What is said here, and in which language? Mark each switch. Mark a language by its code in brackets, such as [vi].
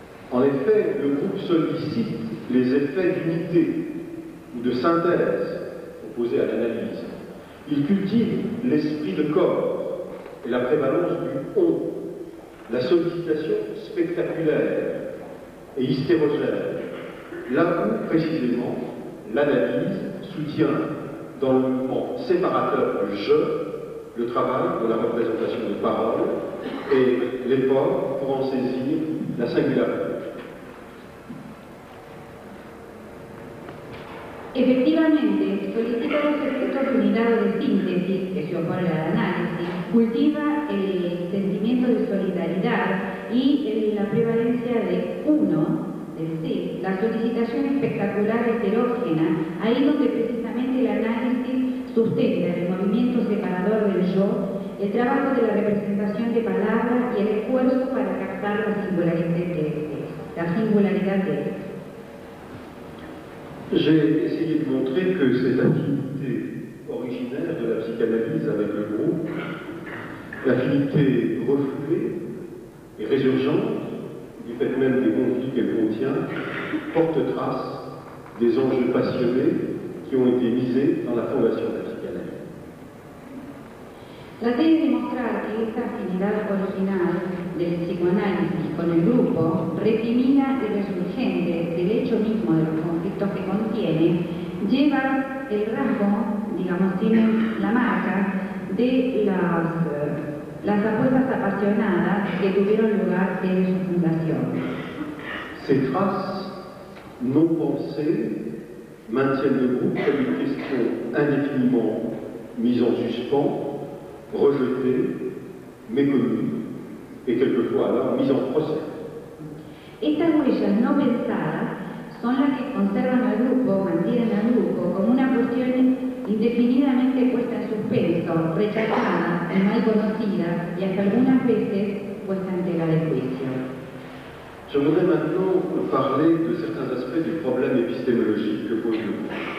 [fr] En effet, le groupe sollicite les effets d'unité ou de synthèse opposés à l'analyse. Il cultive l'esprit de corps et la prévalence du « on », la sollicitation spectaculaire et hystérogène, là où, précisément, l'analyse soutient, dans le mouvement séparateur du « je », le travail de la représentation de parole et l'effort pour en saisir la singularité. [es] Efectivamente, solicita los efectos de unidad o de síntesis que se opone al análisis, cultiva el sentimiento de solidaridad y la prevalencia de uno, de sí, la solicitación espectacular heterógena, ahí donde precisamente el análisis sustenta el movimiento separador del yo, el trabajo de la representación de palabras y el esfuerzo para captar la singularidad de este. la singularidad de él. [fr] J'ai essayé de montrer que cette affinité originaire de la psychanalyse avec le groupe, l'affinité refoulée et résurgente, du fait même des conflits qu'elle contient, porte trace des enjeux passionnés qui ont été misés dans la fondation de la psychanalyse. La thèse démontre que cette affinité originale de la psychanalyse avec le groupe, [es] reprimida et resurgente del hecho mismo de los conflictos que contiene, lleva el rasgo, digamos, tiene la marca de las apuestas apasionadas que tuvieron lugar desde su fundación. [fr] Ces traces non pensées maintiennent le groupe comme une question indéfiniment mise en suspens, rejetée, méconnue et quelquefois alors mise en procès. [es] Estas huellas no pensadas son las que conservan al grupo, mantienen al grupo como una cuestión indefinidamente puesta en suspenso, rechazada y mal conocida, y hasta algunas veces puesta en tela de juicio. [fr] Je voudrais maintenant parler de certains aspects du problème épistémologique que pose le groupe.